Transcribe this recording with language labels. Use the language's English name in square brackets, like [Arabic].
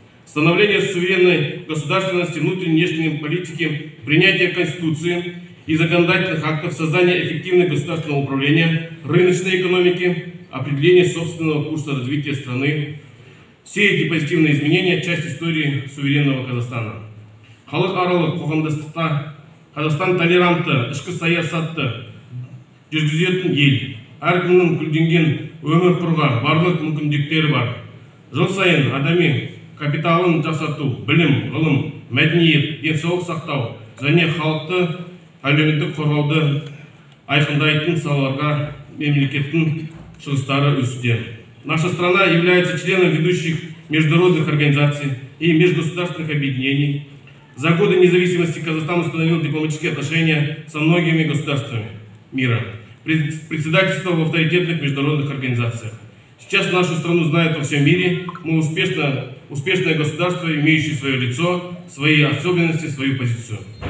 [Russian] Становление суверенной государственности, внутренней и внешней политики, принятие Конституции и законодательных актов, создание эффективного государственного управления, рыночной экономики, определение собственного курса развития страны. Все эти позитивные изменения – часть истории суверенного Казахстана. [Kazakh] Халықаралық қоғамдастықта Қазақстан толерантты, ішкі саясатты жүргізетін ел. Әркімнің күлденген өмір құрға барлық мүмкіндіктері бар. Жыл сайын адами капиталын жақсарту, білім, ғылым, мәдениет, денсаулық сақтау және халықты әлеуметтік қорғауды айқындайтын салаларға мемлекеттің шығыстары өсуде. [Russian] Наша страна является членом ведущих международных организаций и межгосударственных объединений. За годы независимости Казахстан установил дипломатические отношения со многими государствами мира, председательствовал в авторитетных международных организациях. Сейчас нашу страну знают во всем мире. Мы успешное государство, имеющее свое лицо, свои особенности, свою позицию.